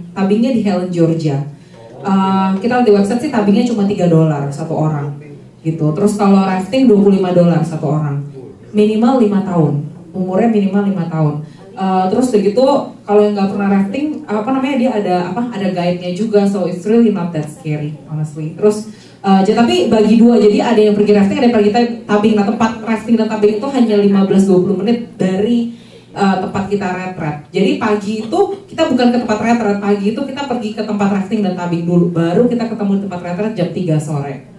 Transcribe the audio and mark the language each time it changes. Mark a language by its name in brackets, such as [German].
[Indonesian] Tubingnya di Helen, Georgia. Kita di website sih tubingnya cuma $3 satu orang. Gitu. Terus kalau rafting $25 satu orang. Minimal 5 tahun. Umurnya minimal 5 tahun. Terus begitu kalau yang enggak pernah rafting, apa namanya? Dia ada apa? Ada guide-nya juga. [English] So it's really not that scary, honestly. [Indonesian] Terus tapi bagi dua. Jadi ada yang pergi rafting, ada yang pergi tubing. Nah, tempat rafting dan tubing itu hanya 15-20 menit dari tempat kita retret. Jadi pagi itu kita bukan ke tempat retret. Pagi itu kita pergi ke tempat rafting dan tubing dulu, baru kita ketemu di tempat retret jam 3 sore.